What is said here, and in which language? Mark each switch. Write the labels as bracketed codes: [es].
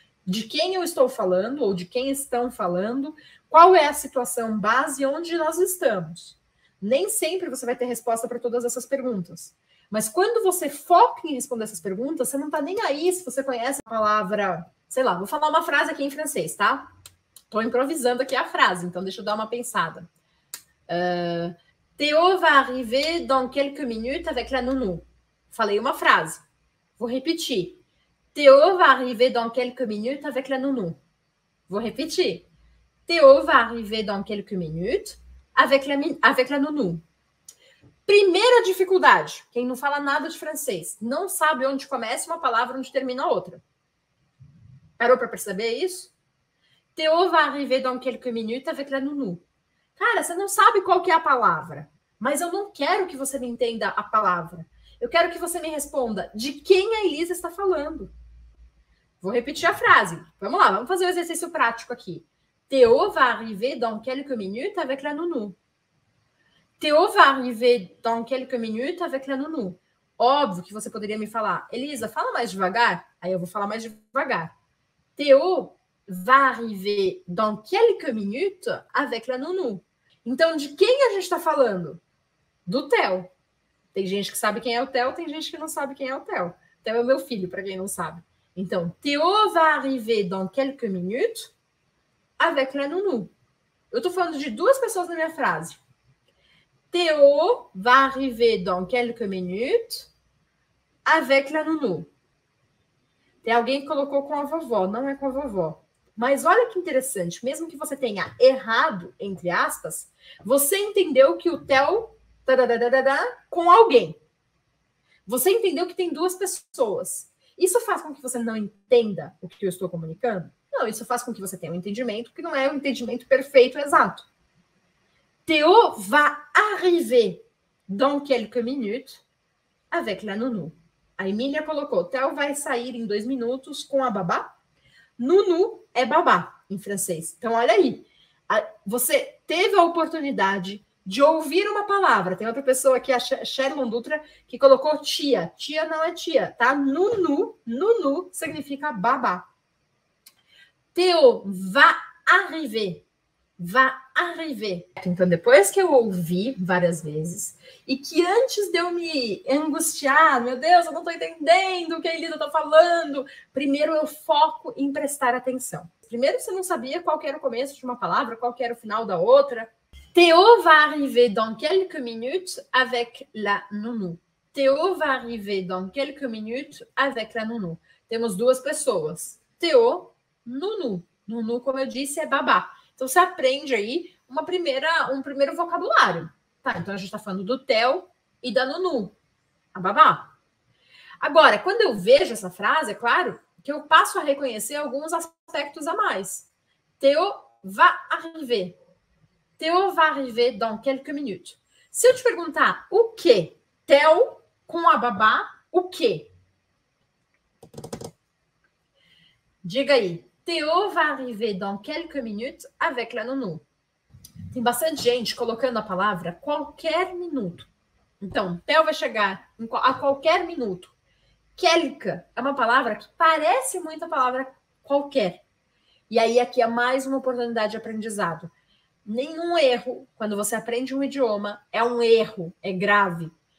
[pt] De quem eu estou falando ou de quem estão falando? Qual é a situação base onde nós estamos? Nem sempre você vai ter resposta para todas essas perguntas. Mas quando você foca em responder essas perguntas, você não está nem aí se você conhece a palavra... Sei lá, vou falar uma frase aqui em francês, tá? Estou improvisando aqui a frase, então deixa eu dar uma pensada. [fr] Théo va arriver dans quelques minutes avec la nounou. [pt] Falei uma frase. Vou repetir. [fr] Théo va arriver dans quelques minutes avec la nounou. [pt] Vou repetir. [fr] Théo va arriver dans quelques minutes avec la nounou. [pt] Primeira dificuldade, quem não fala nada de francês, não sabe onde começa uma palavra e onde termina a outra. Parou para perceber isso? [fr] Théo va arriver dans quelques minutes avec la nounou. [pt] Cara, você não sabe qual que é a palavra, mas eu não quero que você me entenda a palavra. Eu quero que você me responda de quem a Elisa está falando. Vou repetir a frase. Vamos lá, vamos fazer um exercício prático aqui. [fr] Théo va arriver dans quelques minutes avec la nounou. Théo va arriver dans quelques minutes avec la nounou. [pt] Óbvio que você poderia me falar, Elisa, fala mais devagar. Aí eu vou falar mais devagar. [fr] Théo va arriver dans quelques minutes avec la nounou. [pt] Então, de quem a gente está falando? Do Théo. Tem gente que sabe quem é o Théo, tem gente que não sabe quem é o Théo. Théo é meu filho, para quem não sabe. [fr] Então, Théo va arriver dans quelques minutes avec la nounou. [pt] Eu estou falando de duas pessoas na minha frase. [fr] Théo va arriver dans quelques minutes avec la nounou. [pt] Tem alguém que colocou com a vovó, não é com a vovó. Mas olha que interessante, mesmo que você tenha errado, entre aspas, você entendeu que o Théo com alguém. Você entendeu que tem duas pessoas. Isso faz com que você não entenda o que eu estou comunicando? Não, isso faz com que você tenha um entendimento que não é um entendimento perfeito, exato. [fr] Théo va arriver dans quelques minutes avec la nounou. [pt] A Emília colocou, Théo vai sair em 2 minutos com a babá. Nounou é babá em francês. Então, olha aí. Você teve a oportunidade de ouvir uma palavra. Tem outra pessoa aqui, a Sherlon Dutra, que colocou tia. Tia não é tia, tá? Nounou, nounou significa babá. [fr] Théo va arriver. Va arriver. [pt] Então, depois que eu ouvi várias vezes, e que antes de eu me angustiar, meu Deus, eu não estou entendendo o que a Elisa está falando, primeiro eu foco em prestar atenção. Primeiro, você não sabia qual que era o começo de uma palavra, qual que era o final da outra. [fr] Théo va arriver dans quelques minutes avec la nounou. Théo va arriver dans quelques minutes avec la nounou. [pt] Temos duas pessoas. Théo, nounou. Nounou, como eu disse, é babá. Então, você aprende aí um primeiro vocabulário. Tá, então, a gente está falando do Théo e da Nounou, a babá. Agora, quando eu vejo essa frase, é claro que eu passo a reconhecer alguns aspectos a mais. [fr] Théo va arriver. Théo va arriver dans quelques minutes. [pt] Se eu te perguntar o quê? Théo com a babá, o quê? Diga aí. [fr] Théo va arriver dans quelques minutes avec la nounou. [pt] Tem bastante gente colocando a palavra qualquer minuto. Então, Théo vai chegar a qualquer minuto. Quelque é uma palavra que parece muito a palavra qualquer. E aí, aqui é mais uma oportunidade de aprendizado. Nenhum erro, quando você aprende um idioma, é um erro, é grave.